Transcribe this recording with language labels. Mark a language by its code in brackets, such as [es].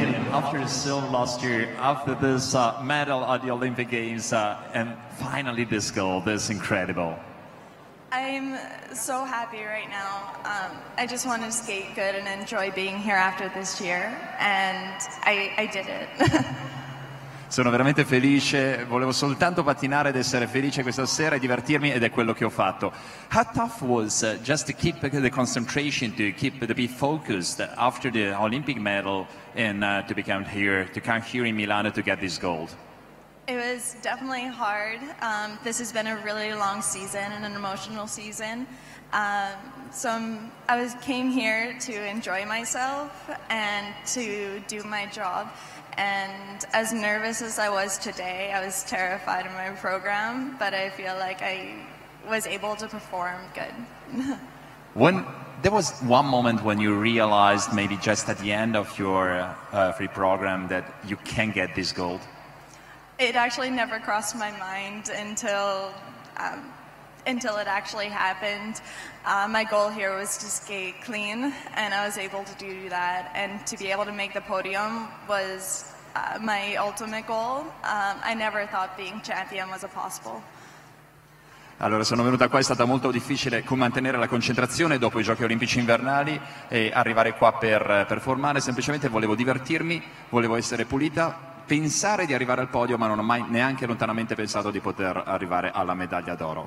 [en] After the silver last year, after this medal at the Olympic Games, and finally this goal, this is incredible. I'm so happy right now. I just want to skate good and enjoy being here after this year, and I did it. [it] Sono veramente felice, volevo soltanto pattinare ed essere felice questa sera e divertirmi, ed è quello che ho fatto. [en] How tough was just to keep the concentration, to keep to be focused after the Olympic medal and to come here in Milano to get this gold? It was definitely hard. This has been a really long season and an emotional season. So I came here to enjoy myself and to do my job. And as nervous as I was today, I was terrified of my program, but I feel like I was able to perform good. When there was one moment when you realized maybe just at the end of your free program that you can get this gold? It actually never crossed my mind until it actually happened. My goal here was to skate clean, and I was able to do that. And to be able to make the podium was my ultimate goal. I never thought being champion was possible. [it] Allora, sono venuta qua, è stata molto difficile mantenere la concentrazione dopo i giochi olimpici invernali e arrivare qua per performare. Semplicemente volevo divertirmi, volevo essere pulita, pensare di arrivare al podio, ma non ho mai neanche lontanamente pensato di poter arrivare alla medaglia d'oro.